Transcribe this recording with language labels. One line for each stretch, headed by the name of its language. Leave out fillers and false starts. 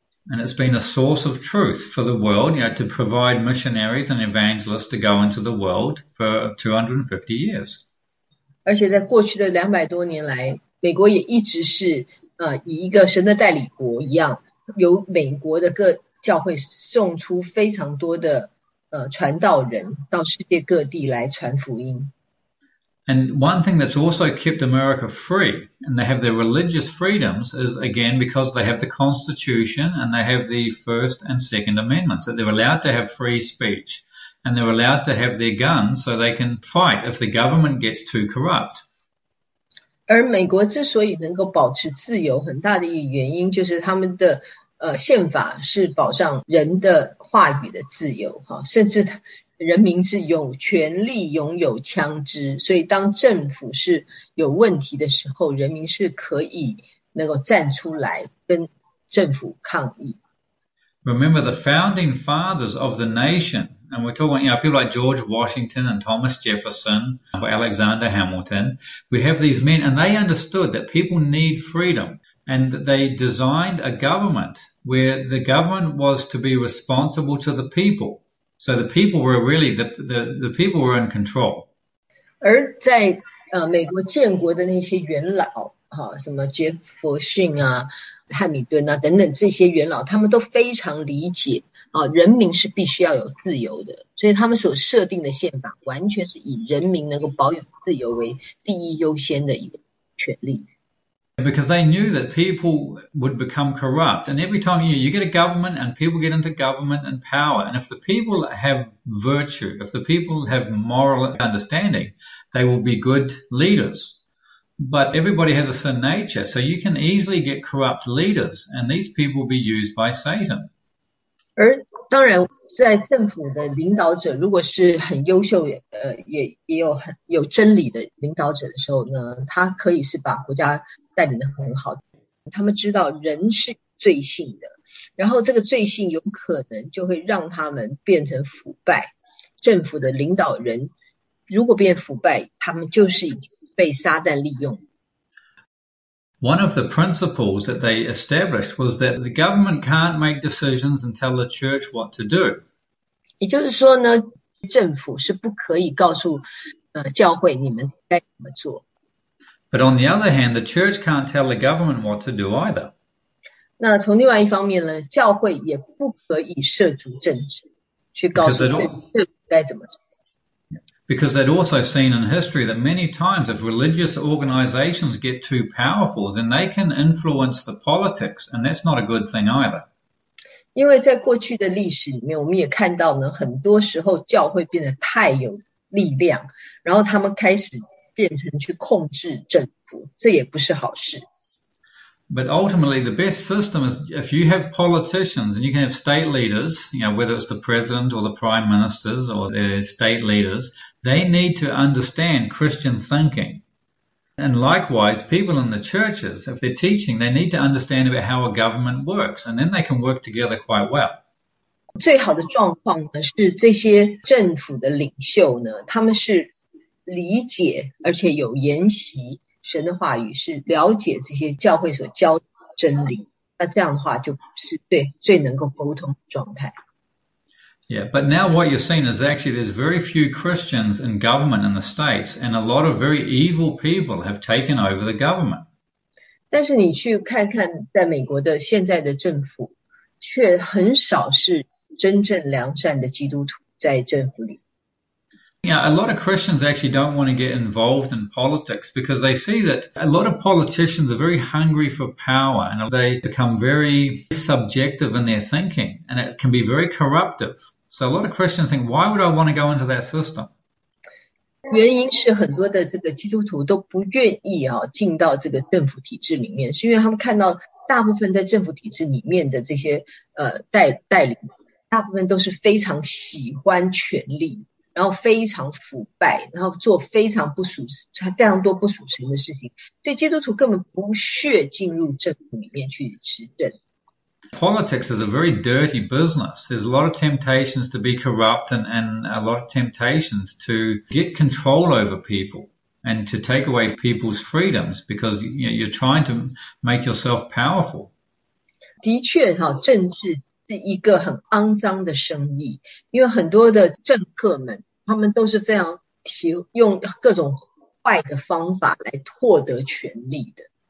English: And it's been a source of truth for the world, to provide missionaries and evangelists to go into the world for 250 years.
Chinese: 而且在过去的200多年来，美国也一直是以一个神的代理国一样，由美国的各教会送出非常多的传道人到世界各地来传福音。
English: And one thing that's also kept America free, and they have their religious freedoms, is again because they have the Constitution and they have the First and Second Amendments, that they're allowed to have free speech and they're allowed to have their guns so they can fight if the government gets too corrupt.
Chinese: 而美国之所以能够保持自由，很大的一个原因就是他们的宪法是保障人的话语的自由，哈，甚至人民是有权利拥有枪支，所以当政府是有问题的时候，人民是可以能够站出来跟政府抗议。
English: Remember the founding fathers of the nation, and we're talking, you know, people like George Washington and Thomas Jefferson, or Alexander Hamilton. We have these men, and they understood that people need freedom, and they designed a government where the government was to be responsible to the people. So the people were really the people were in control.
Chinese: 而在美国建国的那些元老，哈，什么杰弗逊啊、汉密顿啊等等这些元老，他们都非常理解啊，人民是必须要有自由的，所以他们所设定的宪法完全是以人民能够保有自由为第一优先的一个权利。
English: Because they knew that people would become corrupt. And every time you get a government and people get into government and power, and if the people have virtue, if the people have moral understanding, they will be good leaders. But everybody has a sin nature, so you can easily get corrupt leaders, and these people will be used by Satan.
Chinese: 而当然在政府的领导者如果是很优秀，也有很有真理的领导者的时候呢，他可以是把国家带领得很好，他们知道人是罪性的，然后这个罪性有可能就会让他们变成腐败。政府的领导人如果变腐败，他们就是被撒旦利用。
English: One of the principles that they established was that the government can't make decisions and tell the church what to do.
Chinese: 也就是说呢，政府是不可以告诉教会你们该怎么做。
English: But on the other hand, the church can't tell the government what to do either.
Chinese: 那从另外一方面呢，教会也不可以涉足政治，去告诉政府该怎么做。
English: Because they'd also seen in history that many times if religious organizations get too powerful, then they can influence the politics, and that's not a good thing either.
Chinese: 因为在过去的历史里面，我们也看到呢，很多时候教会变得太有力量，然后他们开始变成去控制政府，这也不是好事。
English: But ultimately, the best system is if you have politicians and you can have state leaders, you know, whether it's the president or the prime ministers or the state leaders, they need to understand Christian thinking. And likewise, people in the churches, if they're teaching, they need to understand about how a government works, and then they can work together quite well.
Chinese: 最好的状况呢，是这些政府的领袖呢，他们是理解而且有研习神的话语，是了解这些教会所教的真理，那这样的话就是对最能够沟通的状态。
English: Yeah, but now what you're seeing is actually there's very few Christians in government in the States, and a lot of very evil people have taken over the government.
Chinese: 但是你去看看在美国的现在的政府，却很少是真正良善的基督徒在政府里。
English: Yeah, a lot of Christians actually don't want to get involved in politics because they see that a lot of politicians are very hungry for power and they become very subjective in their thinking and it can be very corruptive. So a lot of Christians think, why would I want to go into that system?
Chinese: 原因是很多的这个基督徒都不愿意啊进到这个政府体制里面，是因为他们看到大部分在政府体制里面的这些带领，大部分都是非常喜欢权力。然后非常腐败，然后做非常不属神，非常多不属神的事情，所以基督徒根本不屑进入政府里面去执政。
English: Politics is a very dirty business. There's a lot of temptations to be corrupt and a lot of temptations to get control over people and to take away people's freedoms because you know, you're trying to make yourself powerful.
Chinese: 的确哈，政治是一个很肮脏的生意，因为很多的政客们，他们都是非常喜用各种坏的方法来获得权力的。